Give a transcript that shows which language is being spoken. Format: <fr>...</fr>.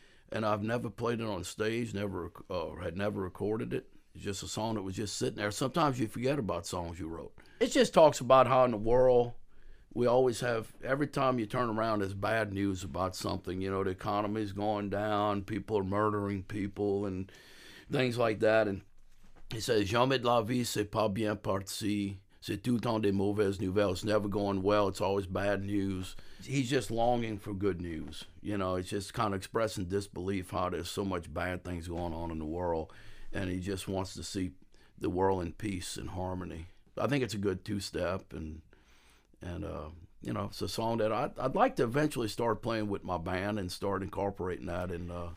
<en>And I've never played it on stage, never recorded it. It's just a song that was just sitting there. Sometimes you forget about songs you wrote. It just talks about how in the world we always have, every time you turn around, there's bad news about something. You know, the economy's going down, people are murdering people, and things like that. And he says,</en> <fr>jamais de la vie, c'est pas bien parti. C'est tout temps des mauvaises nouvelles.</fr> <en>It's never going well. It's always bad news. He's just longing for good news. You know, he's just kind of expressing disbelief how there's so much bad things going on in the world. And he just wants to see the world in peace and harmony. I think it's a good two-step. And it's a song that I'd like to eventually start playing with my band and start incorporating that in.</en>